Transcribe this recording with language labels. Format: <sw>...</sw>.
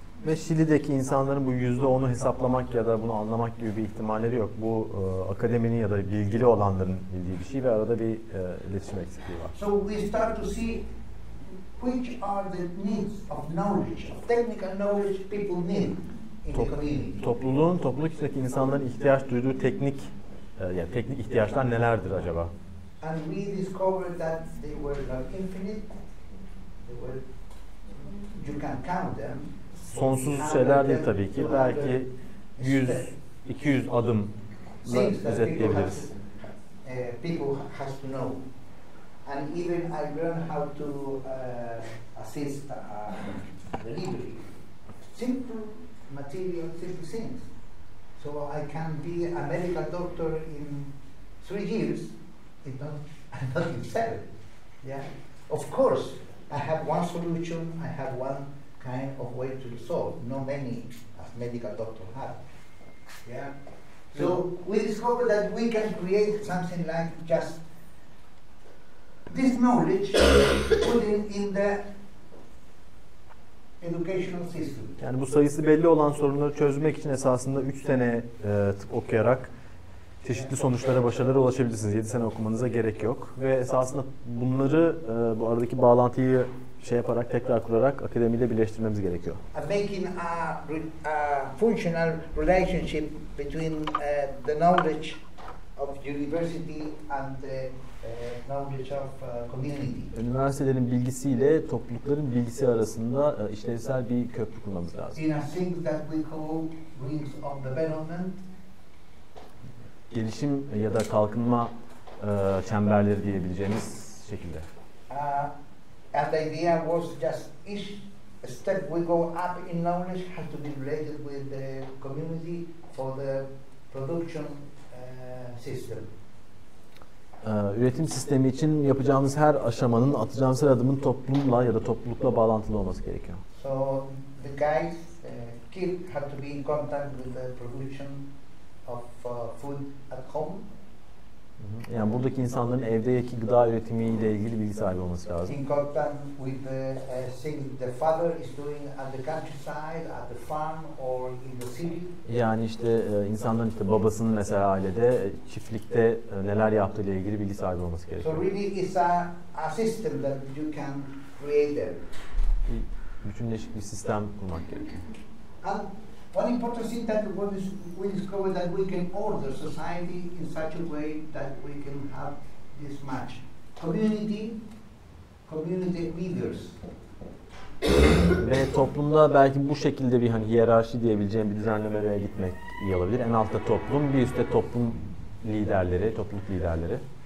<tr>Ve Şili'deki insanların bu %10'u hesaplamak ya da bunu anlamak gibi bir ihtimalleri yok. Bu akademinin ya da bilgili olanların bildiği bir şey ve arada bir iletişim eksikliği var.</tr> <en>So we start to see which are the needs of knowledge, of technical knowledge people need in the community.</en> <tr>Topluluktaki insanların ihtiyaç duyduğu teknik ihtiyaçlar nelerdir acaba?</tr> <en>And we discovered that they were not infinite. You can count them.</en> <tr>Sonsuz şeyler değil tabii ki. Belki 100-200 adımla özetleyebiliriz.</tr> <en>People has to know. And even I learned how to assist delivery. Simple material, simple things. So I can be a medical doctor in 3 years, if not in 7. Yeah. Of course, I have one solution, I have one kind of way to solve. Not many as medical doctors have. Yeah. So we discovered that we can create something like just this knowledge putting in the educational system.</en> <tr>Yani bu sayısı belli olan sorunları çözmek için esasında 3 sene okuyarak çeşitli sonuçlara, başarılara ulaşabilirsiniz. 7 sene okumanıza gerek yok. Ve esasında bunları bu aradaki bağlantıyı şey yaparak, tekrar kurarak akademiyle birleştirmemiz gerekiyor.</tr> <en>Making a functional relationship between the knowledge of university and the knowledge of community.</en> <tr>Üniversitelerin bilgisiyle toplulukların bilgisi arasında işlevsel bir köprü kurmamız lazım.</tr> <en>In a thing that we call wings of development.</en> <tr>Gelişim ya da kalkınma çemberleri diyebileceğimiz şekilde.</tr> <en>And the idea was just each step we go up in knowledge has to be related with the community for the production system.</en> <tr>Üretim sistemi için yapacağımız her aşamanın, atacağımız her adımın toplumla ya da toplulukla bağlantılı olması gerekiyor.</tr> <en>So the guys kid had to be in contact with the production of food at home.</en> <tr>Yani buradaki insanların evdeki gıda üretimiyle ilgili bilgi sahibi olması lazım.</tr> <en>In contact with the thing the father is doing at the countryside, at the farm or in the city.</en> <tr>Yani işte insanların işte babasının mesela ailede çiftlikte neler yaptığı ile ilgili bilgi sahibi olması gerekiyor.</tr> <en>So really it's a system that you can create there.</en> <tr>Bütünleşik bir sistem kurmak gerekiyor.</tr> <en>One important thing that we discover that we can order society in such a way that we can have this much community leaders.</en> <tr>Ve toplumda belki bu şekilde bir hani hiyerarşi diyebileceğim bir düzenlemeye gitmek iyi olabilir. En altta toplum, bir üstte toplum liderleri, topluluk liderleri.</tr>